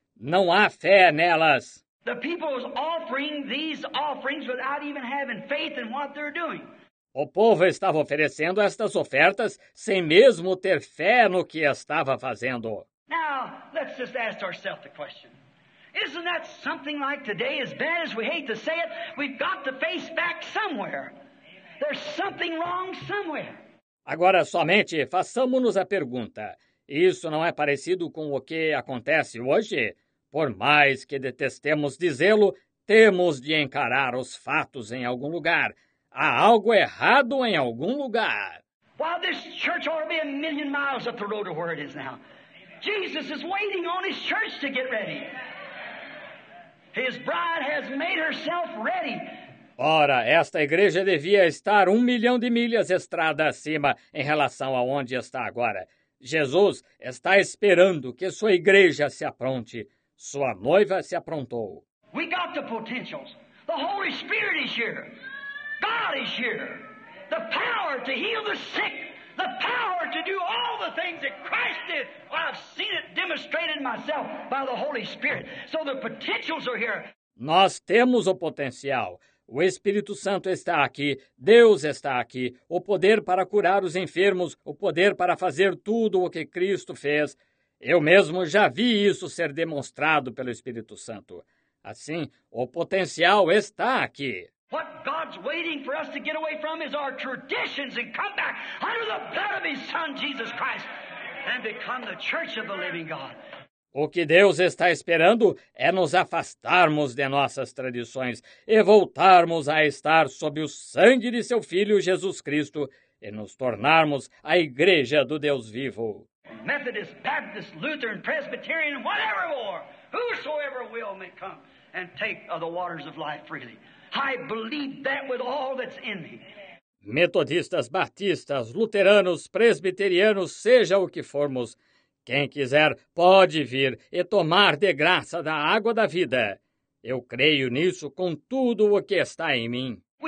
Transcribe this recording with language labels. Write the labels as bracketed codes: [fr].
[pt] Não há fé nelas." [en] The people was offering these offerings without even having faith in what they're doing. [pt] O povo estava oferecendo estas ofertas sem mesmo ter fé no que estava fazendo. [en] Now, let's just ask ourselves the question. Isn't that something like today, as bad as we hate to say it, we've got to face back somewhere. There's something wrong somewhere. [pt] Agora somente façamos-nos a pergunta. Isso não é parecido com o que acontece hoje? Por mais que detestemos dizê-lo, temos de encarar os fatos em algum lugar. Há algo errado em algum lugar. [en] While this church ought to be a million miles up the road to where it is now, Jesus is waiting on his church to get ready. His bride has made herself ready. [pt] Ora, esta igreja devia estar 1 milhão de milhas estrada acima em relação a onde está agora. Jesus está esperando que sua igreja se apronte. Sua noiva se aprontou. [en] We got the potentials. The Holy Spirit is here. God is here. The power to heal the sick. The power to do all the things that Christ did. Well, I've seen it demonstrated myself by the Holy Spirit. So the potentials are here. [pt] Nós temos o potencial. O Espírito Santo está aqui, Deus está aqui, o poder para curar os enfermos, o poder para fazer tudo o que Cristo fez. Eu mesmo já vi isso ser demonstrado pelo Espírito Santo. Assim, o potencial está aqui. [en] What God's waiting for us to get away from is our traditions and come back under the blood of His Son, Jesus Christ, and become the church of the living God. [pt] O que Deus está esperando é nos afastarmos de nossas tradições e voltarmos a estar sob o sangue de seu Filho Jesus Cristo e nos tornarmos a igreja do Deus vivo. [en] Methodist, Baptist, Lutheran, Presbyterian, whatever or, whosoever will may come and take of the waters of life freely. I believe that with all that's in me. [pt] Metodistas, batistas, luteranos, presbiterianos, seja o que formos, quem quiser pode vir e tomar de graça da água da vida. Eu creio nisso com tudo o que está em mim.